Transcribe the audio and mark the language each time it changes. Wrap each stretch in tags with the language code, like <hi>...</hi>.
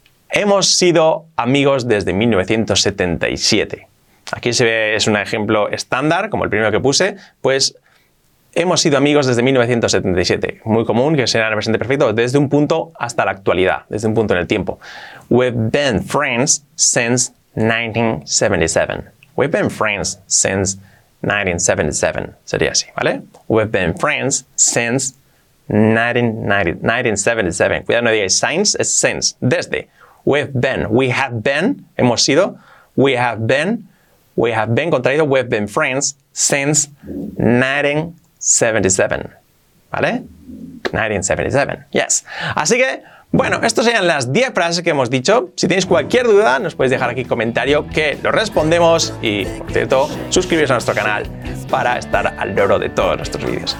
<es>Hemos sido amigos desde 1977. Aquí se ve, es un ejemplo estándar, como el primero que puse, pues... Hemos sido amigos desde 1977. Muy común que sea en el presente perfecto, desde un punto hasta la actualidad, desde un punto en el tiempo.</es> <en>We've been friends since 1977. We've been friends since 1977.</en> <es>Sería así, ¿vale?</es> <en>We've been friends since 1977.</en> <es>Cuidado, no digáis since, es since. Desde.</es> <en>We've been. We have been.</en> <es>Hemos sido.</es> <en>We have been. We have been</en> <es>contraído.</es> <en>We've been friends since 1977, ¿vale? 1977, yes.</en> <es>Así que, bueno, estas serían las 10 frases que hemos dicho. Si tenéis cualquier duda, nos podéis dejar aquí un comentario que lo respondemos. Y, por cierto, suscribiros a nuestro canal para estar al loro de todos nuestros vídeos.</es>